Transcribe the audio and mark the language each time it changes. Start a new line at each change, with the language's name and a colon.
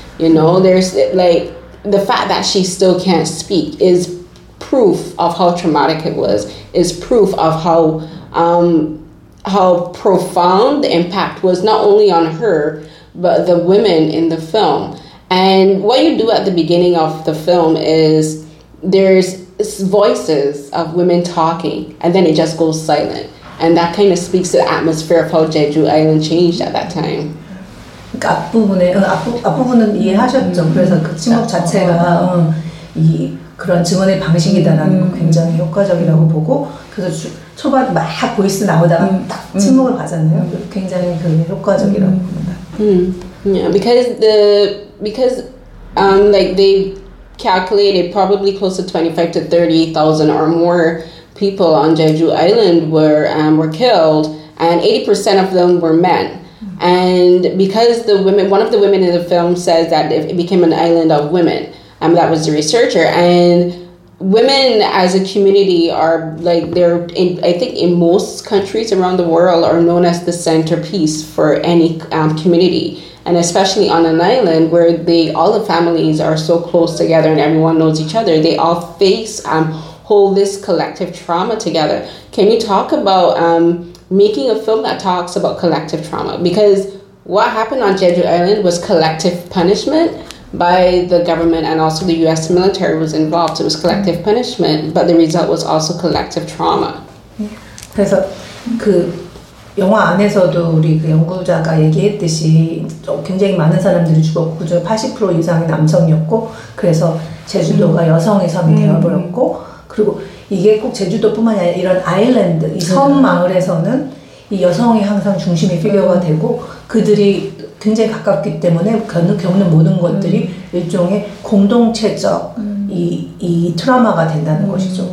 English: You know, there's like the fact that she still can't speak is proof of how traumatic it was, is proof of how profound the impact was, not only on her, but the women in the film. And what you do at the beginning of the film is there's voices of women talking, and then it just goes silent. And that kind of speaks to the atmosphere of how Jeju Island changed at that time.
Korean: 그 앞부분에, 앞부분은 이해하셨죠. 그래서 그 침묵 자체가 이 그런 증언의 방식이다라는 거 굉장히 효과적이라고 보고, 그래서 초반 막 보이스 나오다가 딱 침묵을 가잖아요. 굉장히 그 효과적이라고 봅니다.
English: Yeah, because like they calculated probably close to 25,000 to 30,000 or more people on Jeju Island were killed, and 80% of them were men. And because the women, one of the women in the film says that it became an island of women, that was the researcher, and women as a community are like, they're in, I think in most countries around the world are known as the centerpiece for any community, and especially on an island where they, all the families are so close together and everyone knows each other, they all face hold this collective trauma together. Can you talk about making a film that talks about collective trauma? Because what happened on Jeju Island was collective punishment by the government, and also the U.S. military was involved. It was collective punishment, but the result was also collective trauma.
Korean: 그래서 그 영화 안에서도 우리 그 연구자가 얘기했듯이 굉장히 많은 사람들이 죽었고, 그중 80% 이상이 남성이었고, 그래서 제주도가 여성의 섬이 되어버렸고, 그리고 이게 꼭 제주도뿐만 아니라 이런 아일랜드, 이 섬 마을에서는 이 여성이 항상 중심의 피겨가 되고, 그들이 굉장히 가깝기 때문에 겪는 모든 것들이 일종의 공동체적 이 트라우마가 된다는 것이죠.